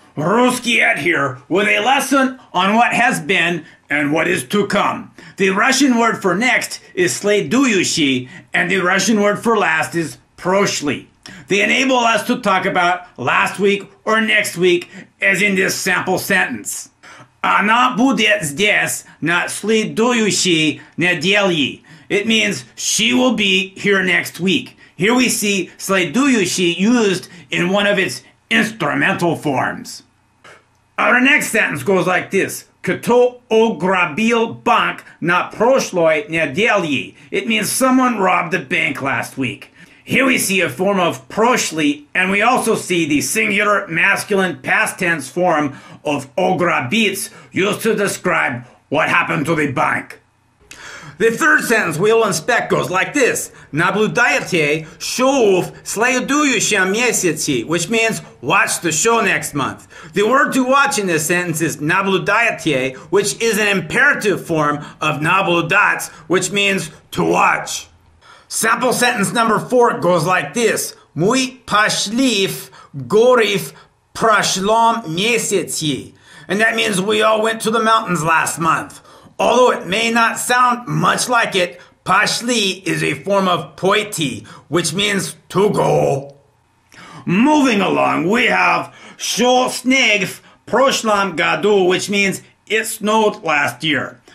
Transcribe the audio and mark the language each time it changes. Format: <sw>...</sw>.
<en>Rusky Ed here with a lesson on what has been and what is to come. The Russian word for next is sleduyushi, and the Russian word for last is proshly. They enable us to talk about last week or next week, as in this sample sentence.</en> <ru>Она будет здесь на следующей неделе.</ru> <en>It means she will be here next week. Here we see следующей used in one of its instrumental forms. Our next sentence goes like this.</en> <ru>Кто ограбил банк на прошлой неделе?</ru> <en>It means someone robbed the bank last week. Here we see a form of прошли, and we also see the singular masculine past tense form of ограбить, used to describe what happened to the bank. The third sentence we'll inspect goes like this.</en> <ru>Наблюдайте шоу в следующем месяце,</ru> <en>which means watch the show next month. The word to watch in this sentence is наблюдайте, which is an imperative form of наблюдать, which means to watch. Sample sentence number four goes like this.</en> <ru>Мы пошли в горы в прошлом месяце.</ru> <en>And that means we all went to the mountains last month. Although it may not sound much like it, пошли is a form of пойти, which means to go. Moving along, we have</en> <ru>шо снег в прошлом году,</ru> <en>which means it snowed last year.</en>